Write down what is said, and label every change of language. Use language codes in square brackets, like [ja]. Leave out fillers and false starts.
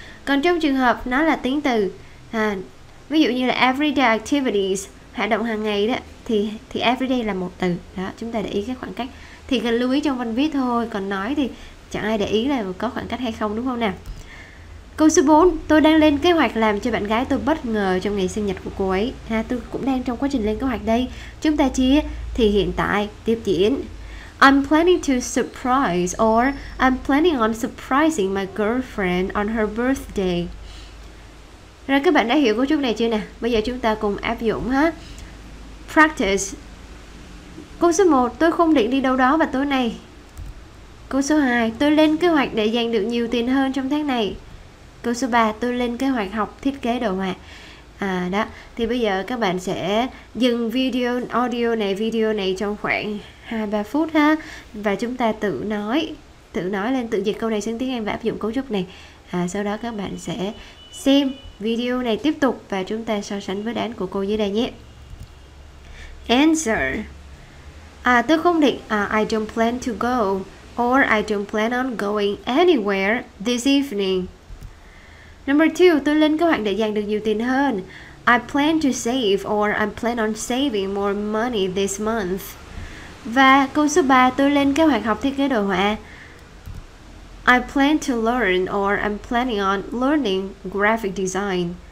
[vi] Còn trong trường hợp nó là tiếng từ ha, ví dụ như là everyday activities, hoạt động hàng ngày đó, thì everyday là một từ đó, chúng ta để ý cái khoảng cách thì cần lưu ý trong văn viết thôi, còn nói thì chẳng ai để ý là có khoảng cách hay không, đúng không nào. Câu số 4, tôi đang lên kế hoạch làm cho bạn gái tôi bất ngờ trong ngày sinh nhật của cô ấy. Ha, tôi cũng đang trong quá trình lên kế hoạch đây. Chúng ta chia thì hiện tại tiếp diễn. [en] I'm planning to surprise or I'm planning on surprising my girlfriend on her birthday. [vi] Rồi các bạn đã hiểu cấu trúc này chưa nè? Bây giờ chúng ta cùng áp dụng ha. Practice. Câu số 1, tôi không định đi đâu đó vào tối nay. Câu số 2, tôi lên kế hoạch để dành được nhiều tiền hơn trong tháng này. Câu số 3, tôi lên kế hoạch học thiết kế đồ họa. Đó, thì bây giờ các bạn sẽ dừng video này trong khoảng 2-3 phút ha. Và chúng ta tự nói lên, tự dịch câu này sang tiếng Anh và áp dụng cấu trúc này. Sau đó các bạn sẽ xem Video này tiếp tục và chúng ta so sánh với đáp án của cô dưới đây nhé. [en] Answer. [vi] Tôi không định, [en] I don't plan to go, or I don't plan on going anywhere this evening. Number two, [vi] tôi lên kế hoạch để dành được nhiều tiền hơn. [en] I plan to save, or I plan on saving more money this month. [vi] Và câu số 3, tôi lên kế hoạch học thiết kế đồ họa. [en] I plan to learn, or I'm planning on learning graphic design.